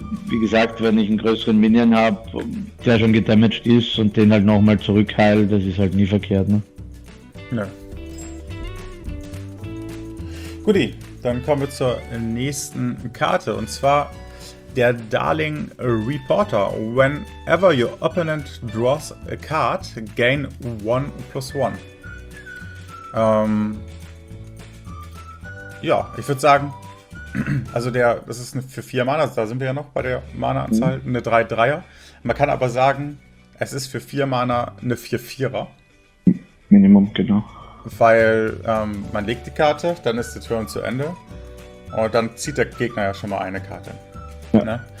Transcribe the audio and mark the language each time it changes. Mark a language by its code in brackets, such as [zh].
[de] Wie gesagt, wenn ich einen größeren Minion habe, der schon gedamaged ist und den halt nochmal zurückheilt, das ist halt nie verkehrt, ne? Ja. Guti, dann kommen wir zur nächsten Karte und zwar der Darling Reporter. [en] Whenever your opponent draws a card, gain 1/+1. [de] Ja, ich würde sagen, also der, das ist eine für 4 Mana, da sind wir ja noch bei der Mana-Anzahl, eine 3-3er. Man kann aber sagen, es ist für 4 Mana eine 4-4er. Minimum, genau. Weil man legt die Karte, dann ist der Turn zu Ende und dann zieht der Gegner ja schon mal eine Karte. Ja. Ne?